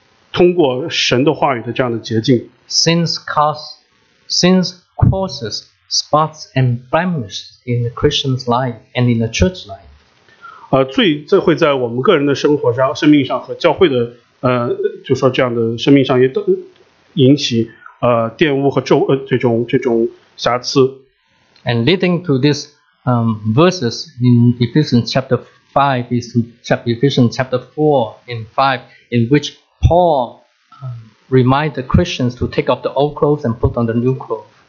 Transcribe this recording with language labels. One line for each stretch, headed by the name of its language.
Chinese: 所以我们可以看到这边就是讲到的这种毫无玷污皱纹的病没有瑕疵都是因为通过神的话语的这样的洁净。
English: Sins causes spots and blemishes in the Christian's life and in the church life.
Chinese: 罪在会在我们个人的生活上、生命上和教会的，就说这样的生命上也引起玷污和皱这种瑕疵。
English: And leading to this verses in Ephesians chapter 5 is Ephesians chapter 4 and 5 in which Paul reminds the Christians to take off the old clothes and put on the new clothes.